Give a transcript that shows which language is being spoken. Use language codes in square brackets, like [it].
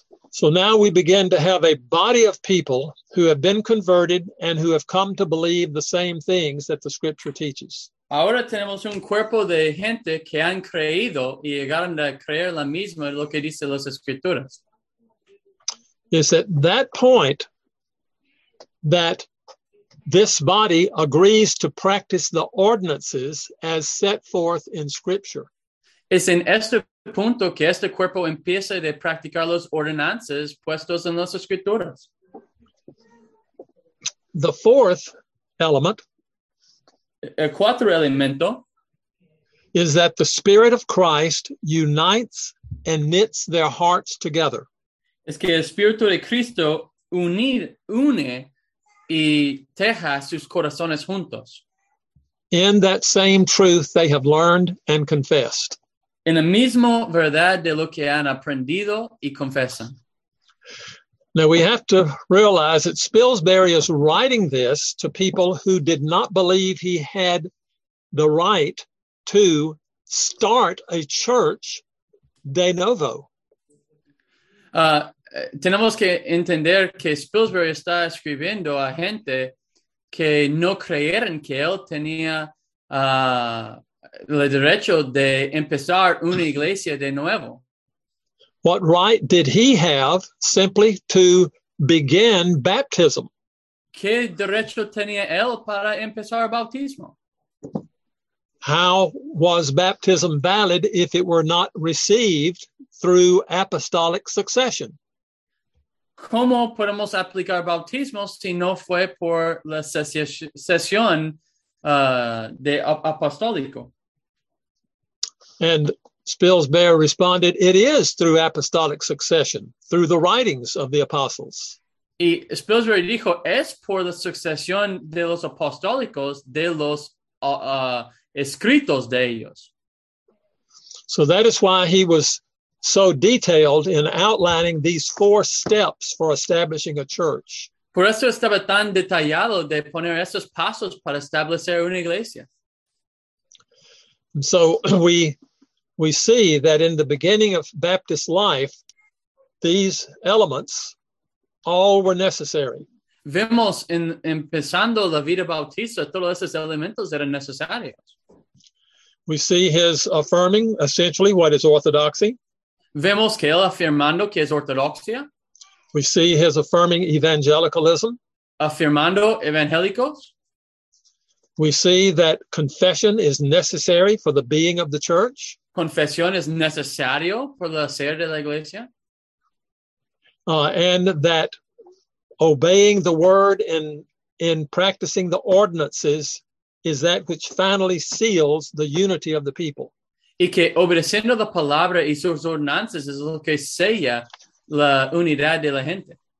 [en] So now we begin to have a body of people who have been converted and who have come to believe the same things that the Scripture teaches. [es] Ahora tenemos un cuerpo de gente que han creído y llegaron a creer la misma lo que dice las Escrituras. [en] It's at that point that this body agrees to practice the ordinances as set forth in Scripture. [es] Es en este punto que este cuerpo empieza de practicar las ordenanzas puestas en las Escrituras. [en] The fourth element, [es] el cuarto elemento, [en] is that the Spirit of Christ unites and knits their hearts together. [es] Es que el Espíritu de Cristo une y teja sus corazones juntos. [en] In that same truth they have learned and confessed. [es] En la misma verdad de lo que han aprendido y confesan. [en] Now we have to realize that Spilsbury is writing this to people who did not believe he had the right to start a church de novo. [es] Tenemos que entender que Spilsbury está escribiendo a gente que no creyeron que él tenía el derecho de empezar una iglesia de nuevo. [en] What right did he have simply to begin baptism? [es] ¿Qué derecho tenía él para empezar bautismo? [en] How was baptism valid if it were not received through apostolic succession? [es] ¿Cómo podemos aplicar bautismo si no fue por la sesión de apostólico? [en] And Spilsbury responded, it is through apostolic succession, through the writings of the apostles. [es] Y Spilsbury dijo, es por la sucesión de los apostólicos, de los escritos de ellos. [en] So that is why he was so detailed in outlining these four steps for establishing a church. [es] Por eso estaba tan detallado de poner esos pasos para establecer una iglesia. [en] So we see that in the beginning of Baptist life, these elements all were necessary. [es] Vemos en empezando la vida bautista, todos esos elementos eran necesarios. [en] We see his affirming essentially what is orthodoxy. [es] Vemos que él afirmando que es ortodoxia. [en] We see his affirming evangelicalism. [es] Afirmando evangélicos. [en] We see that confession is necessary for the being of the church. [es] Confesión es necesario por el ser de la iglesia. [en] And that obeying the word and in practicing the ordinances is that which finally seals the unity of the people. [es] Y que obedeciendo la palabra y sus ordenanzas es lo que sella la unidad de la gente.